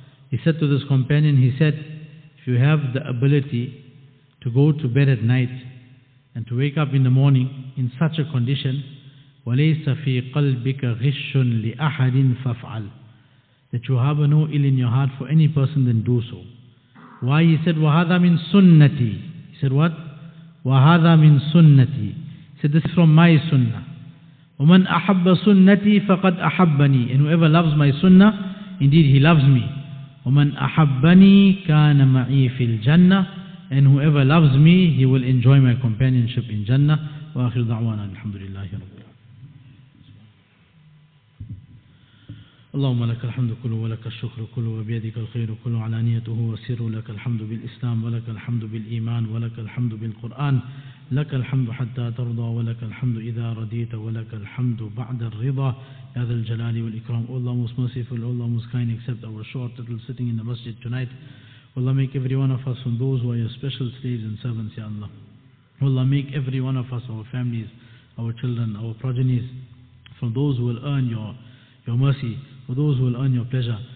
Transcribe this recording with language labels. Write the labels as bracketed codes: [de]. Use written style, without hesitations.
[en] He said to this companion, he said, if you have the ability to go to bed at night and to wake up in the morning in such a condition, [ar] وَلَيْسَ فِي قَلْبِكَ غِشٌ لِأَحَدٍ فَفْعَلْ, [en] that you have no ill in your heart for any person, then do so. Why? He said, [ar] وَهَذَا مِن سُنَّتِي. [en] He said, what? [ar] وَهَذَا مِن سُنَّتِي. [en] He said, this is from my sunnah. [ar] وَمَنْ أَحَبَّ سُنَّتِي فَقَدْ أَحَبَّنِي. [en] And whoever loves my sunnah, indeed he loves me. [ar] وَمَنْ أَحَبَّنِي كَانَ مَعِي فِي الْجَنَّةِ. [en] And whoever loves me, he will enjoy my companionship in Jannah. [ar] وَآخِرُ دَعْوَانَا الْحَمْدُ لِلَّهِ رَبِّ. اللهم لك الحمد كله ولك الشكر كله وبيدك الخير كله علانيته وسر لك الحمد بالإسلام ولك الحمد بالإيمان ولك الحمد بالقرآن لك الحمد حتى ترضى ولك الحمد إذا رضيت ولك الحمد بعد الرضا يا ذا الجلال والإكرام. [en] Allah most merciful, Allah most kind, accept our short little sitting in the masjid tonight. Allah make every one of us from those who are your special slaves and servants, ya Allah. Allah make every one of us, our families, our children, our progenies, from those who will earn your mercy, for those who will earn your pleasure.